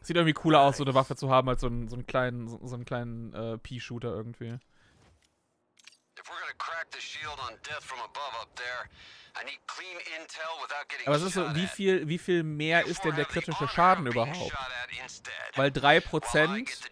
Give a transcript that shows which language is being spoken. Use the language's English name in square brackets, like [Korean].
[German] Sieht irgendwie cooler nice aus, so eine Waffe zu haben, als so einen kleinen P-Shooter irgendwie. [English] If we're gonna crack the shield on death from above up there. I need clean intel without getting. [German] Aber es ist so, wie viel mehr ist denn der kritische Schaden überhaupt? Weil 3%.